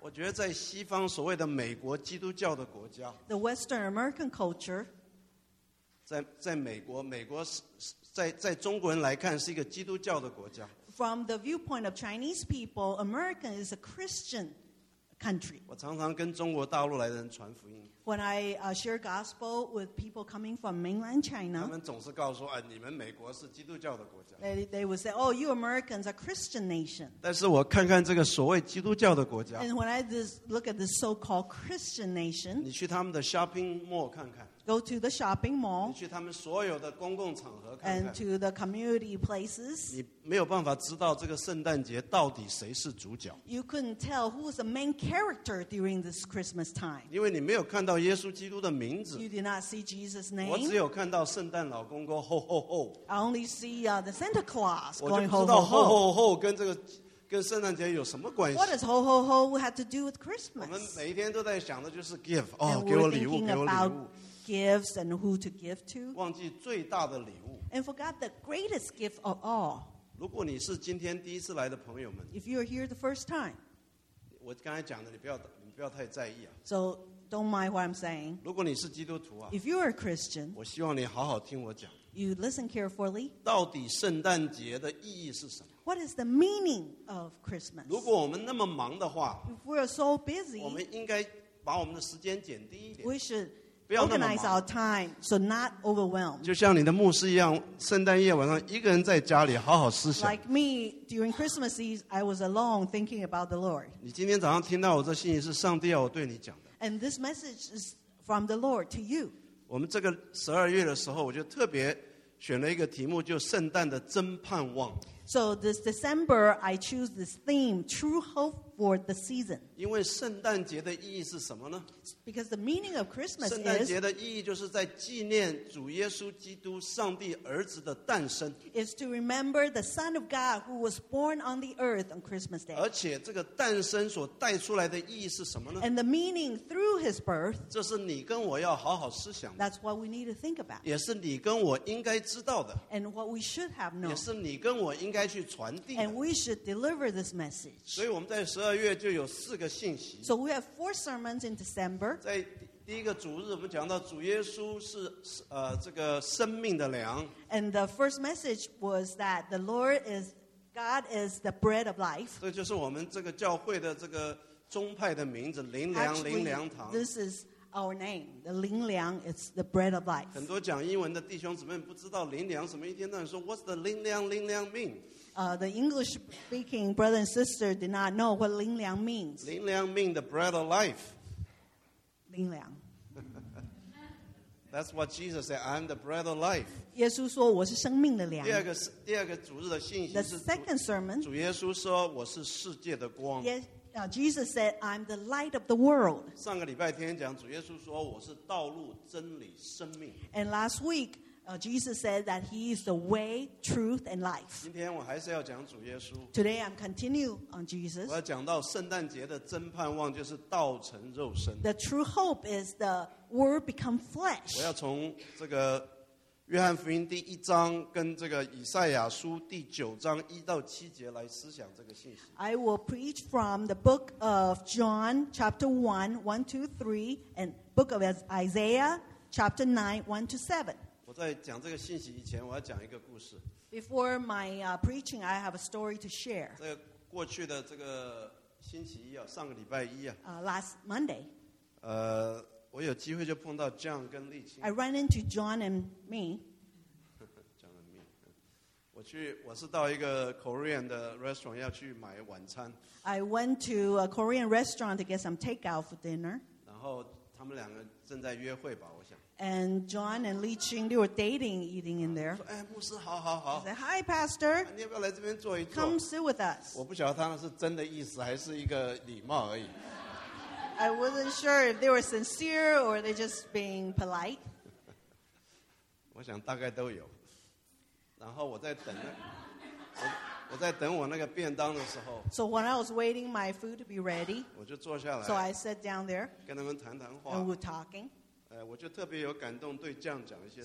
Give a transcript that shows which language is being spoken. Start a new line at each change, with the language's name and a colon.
Chinese: 我觉得在西方所谓的美国基督教的国家
English: The Western American culture
Chinese: 在美国在中国人来看是一个基督教的国家
English: From the viewpoint of Chinese people, America is a Christian country.
Chinese: 我常常跟中国大陆来的人传福音。
English: When I share gospel with people coming from mainland China,
Chinese: 他们总是告诉我，你们美国是基督教的国家。
English: They would say, oh, you Americans are Christian nation.
Chinese: 但是我看看这个所谓基督教的国家。
English: And when I just look at this so-called Christian nation,
Chinese: 你去他们的 shopping mall 看看。
English: Go to the shopping mall
Chinese: 你去他们所有的公共场合看看
English: and to the community places.
Chinese: 你没有办法知道这个圣诞节到底谁是主角
English: You couldn't tell who was the main character during this Christmas time.
Chinese: 因为你没有看到耶稣基督的名字
English: You did not see Jesus' name.
Chinese: 我只有看到圣诞老公公 ho ho ho.
English: I only see the Santa Claus going ho ho ho.
Chinese: 我就知道 ho ho ho 跟这个跟圣诞节有什么关系
English: What does ho ho ho have to do with Christmas?
Chinese: 我们每一天都在想的就是 give. 哦，给我礼物，给我礼物。
English: Gifts and who to give to.
Chinese: 忘记最大的礼物
English: And forgot the greatest gift of all.
Chinese: 如果你是今天第一次来的朋友们
English: If you are here the first time.
Chinese: 我刚才讲的你不要太在意啊
English: So don't mind what I'm saying.
Chinese: 如果你是基督徒啊
English: If you are a Christian.
Chinese: 我希望你好好听我讲
English: You listen carefully.
Chinese: 到底圣诞节的意义是什么
English: What is the meaning of Christmas?
Chinese: 如果我们那么忙的话
English: If we are so busy.
Chinese: 我们应该把我们的时间减低一点
English: We should. Organize our time so not overwhelmed.
Chinese: 就像你的牧师一样，圣诞夜晚上一个人在家里好好思想。
English: Like me, during Christmas Eve, I was alone thinking about the Lord.
Chinese: 你今天早上听到我这信息是上帝要我对你讲的。
English: And this message is from the Lord to you.
Chinese: 我们这个十二月的时候，我就特别选了一个题目，就圣诞的真盼望。
English: So this December, I choose this theme, True Hope for the Season.
Chinese: 因为圣诞节的意义是什么呢
English: Because the meaning of Christmas is...
Chinese: 圣诞节的意义就是在纪念主耶稣基督上帝儿子的诞生。
English: Is to remember the Son of God who was born on the earth on Christmas Day.
Chinese: 而且这个诞生所带出来的意义是什么呢
English: And the meaning through his birth...
Chinese: 这是你跟我要好好思想的。
English: That's what we need to think about.
Chinese: 也是你跟我应该知道的。
English: And what we should have known.
Chinese: 也是你跟我应该去传递的。
English: And we should deliver this message.
Chinese: 所以我们在十二月就有四个信息
English: So we have four sermons in December
Chinese: 在第一个主日我们讲到主耶稣是这个生命的粮。
English: And the first message was that the Lord is God is the bread of life.
Chinese: 这就是我们这个教会的这个宗派的名字，灵粮灵粮堂。
English: This is our name. The 灵粮 is the bread of life.
Chinese: 很多讲英文的弟兄姊妹不知道灵粮什么，一天到晚说
English: What's the
Chinese: 灵粮灵粮 mean?
English: The English speaking brother and sister did not know what 灵粮 means. 灵粮 mean the bread of life.
Chinese: 灵粮
English: That's what Jesus said. I'm the bread of life.
Chinese: 耶稣说我是生命的粮。第二个主日的信息是
English: The second sermon.
Chinese: 主耶稣说我是世界的光。
English: Jesus said, I'm the light of the world.
Chinese: 上个礼拜天讲主耶稣说我是道路真理生命。
English: And last week, Jesus said that he is the way, truth, and life.
Chinese: 今天我还是要讲主耶稣。
English: Today I'm continuing on Jesus.
Chinese: 我要讲到圣诞节的真盼望就是道成肉身。
English: The true hope is the word become flesh.
Chinese: 我要从这个约翰福音第一章跟这个以赛亚书第九章一到七节来思想这个信息。
English: I will preach from the book of John chapter 1, 1 to 3, and book of Isaiah chapter 9, 1 to 7.
Chinese: 我在讲这个信息以前，我要讲一个故事。
English: Before my preaching, I have a story to share.
Chinese: 在过去的这个星期一啊，上个礼拜一啊。
English: Last Monday.
Chinese: 我有机会就碰到 John 跟丽青。
English: I ran into John and me. John and me.
Chinese: 我是到一个 Korean 的 restaurant 要去买晚餐。
English: I went to a Korean restaurant to get some takeout for dinner.
Chinese: 然后他们两个正在约会吧，我想。
English: And John and Li Qing, they were dating, eating in there. He said, Hi, Pastor.
Chinese: 你要不要来这边坐一坐?
English: Come sit with us.
Chinese: 我不晓得他们是真的意思还是一个礼貌而已。
English: I wasn't sure if they were sincere or they just being polite.
Chinese: 我想大概都有。然后我在等那我在等我那个便当的时候。
English: So when I was waiting my food to be ready,
Chinese: 我就坐下来。
English: So I sat down there.
Chinese: 跟他们谈谈话。
English: And we were talking.
Chinese: 我就特别有感动对这样讲一些事